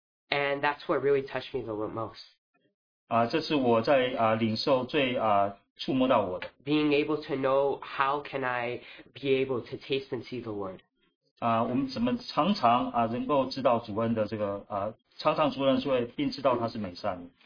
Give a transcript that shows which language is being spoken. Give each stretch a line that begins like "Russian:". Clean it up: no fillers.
English: And that's what really touched me the most.
Chinese: 这是我在领受最触摸到我的。
English: Being able to know how can I be able to taste and see the Lord.
Chinese: 我们怎么常常能够知道主恩的这个常常主恩的滋味，并知道他是美善的。